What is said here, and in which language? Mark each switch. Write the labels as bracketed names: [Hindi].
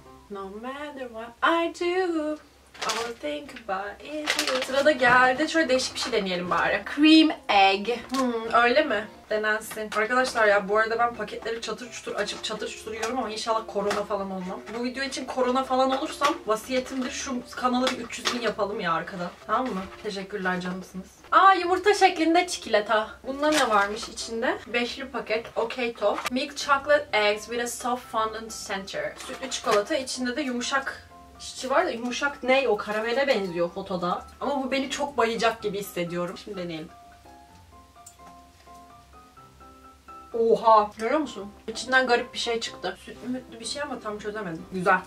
[English] No matter what I do, all I think about is you. [Turkish] Sırada geldi. Şöyle değişik bir şey deneyelim bari. Cream egg. Öyle mi? Denensin. Arkadaşlar ya bu arada ben paketleri çatır çutur açıp çatır çutur yiyorum ama inşallah korona falan olmam. Bu video için korona falan olursam vasiyetimdir şu kanalı bir 300 bin yapalım ya arkada. Tamam mı? Teşekkürler canımsınız. Aa yumurta şeklinde çikolata. Bunda ne varmış içinde? Beşli paket. Okay top. [English] Milk chocolate eggs with a soft fondant center. [Turkish] Sütlü çikolata. İçinde de yumuşak çiçi var da yumuşak ne o? Karamele benziyor fotoda. Ama bu beni çok bayacak gibi hissediyorum. Şimdi deneyelim. Oha! Görüyor musun? İçinden garip bir şey çıktı. Sütlü mütlü bir şey ama tam çözemedim. Güzel.